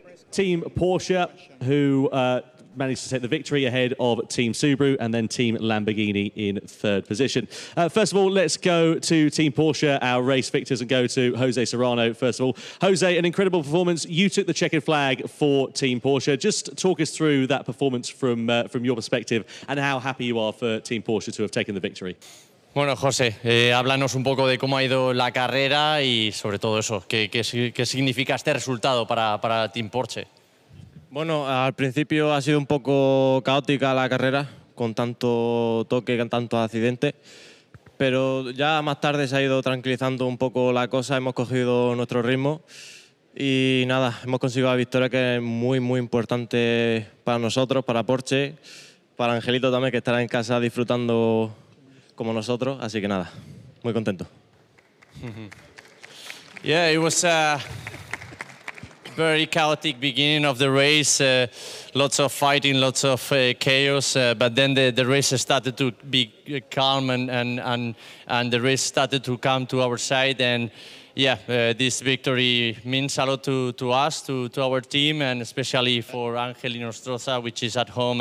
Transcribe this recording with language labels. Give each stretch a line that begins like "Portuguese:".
English: Team Porsche, who managed to take the victory ahead of Team Subaru and then Team Lamborghini in third position. First of all, let's go to Team Porsche, our race victors, and go to Jose Serrano, first of all. Jose, an incredible performance. You took the checkered flag for Team Porsche. Just talk us through that performance from your perspective and how happy you are for Team Porsche to have taken the victory.
Spanish: Bueno, José, háblanos un poco de cómo ha ido la carrera y sobre todo eso, qué significa este resultado para Team Porsche. Bueno, al principio ha sido un poco caótica la carrera, con tanto toque, con tanto accidente, pero ya más tarde se ha ido tranquilizando un poco la cosa, hemos cogido nuestro ritmo y nada, hemos conseguido la victoria que es muy, muy importante para nosotros, para Porsche, para Angelito también, que estará en casa disfrutando como nosotros, así que nada, muy contento.
English: Yeah, it was a very chaotic beginning of the race. Lots of fighting, lots of chaos. But then the race started to be calm and the race started to come to our side. And yeah, this victory means a lot to us, to our team, and especially for Angel Inostroza, which is at home.